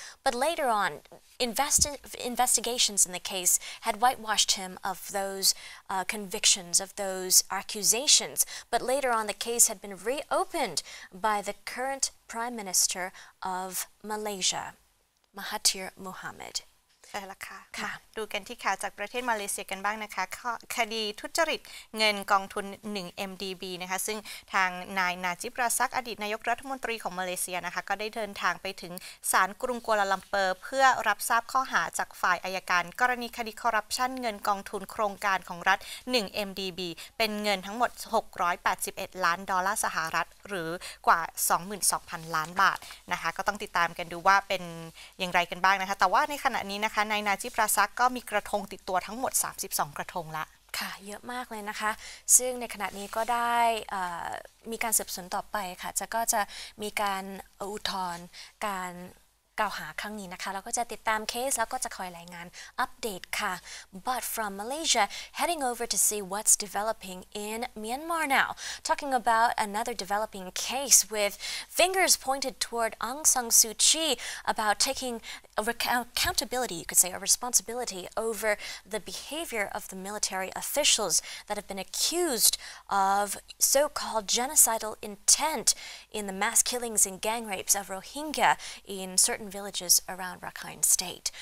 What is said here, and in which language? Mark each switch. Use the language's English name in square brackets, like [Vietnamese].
[English] But later on, investigations in the case had whitewashed him of those convictions, of those accusations. But later on, the case had been reopened by the current Prime Minister of Malaysia, Mahathir Mohamad. [Thai] ใช่ละค่ะ ค่ะ ดูกันที่ข่าวจากประเทศมาเลเซียกันบ้างนะคะ คดีทุจริตเงินกองทุน 1MDB นะคะซึ่งทางนายนาจิบราซักอดีตนายกรัฐมนตรีของมาเลเซียนะคะก็ได้เดินทางไปถึงศาลกรุงกัวลาลัมเปอร์เพื่อรับทราบข้อหาจากฝ่ายอัยการกรณีคดีคอร์รัปชันเงินกองทุนโครงการของรัฐ 1MDB เป็นเงินทั้งหมด 681ล้านดอลลาร์สหรัฐหรือกว่า 22,000 ล้านบาทนะคะก็ต้องติดตามกันดูว่าเป็นอย่างไรกันบ้างนะคะแต่ว่าในขณะนี้นะคะนายนาจิบราซักก็มีกระทงติดตัวทั้งหมด32กระทงละ ค่ะเยอะมากเลยนะคะซึ่งในขณะนี้ก็ได้มีการสืบสวนต่อไปค่ะจะก็จะมีการอุทธรณ์การ กล่าวหาครั้งนี้นะคะเราก็จะติดตามเคสแล้วก็จะคอยรายงานอัปเดตค่ะ [English] But from Malaysia heading over to see what's developing in Myanmar now talking about another developing case with fingers pointed toward Aung San Suu Kyi about taking accountability you could say a responsibility over the behavior of the military officials that have been accused of so-called genocidal intent in the mass killings and gang rapes of Rohingya in certain villages around Rakhine State.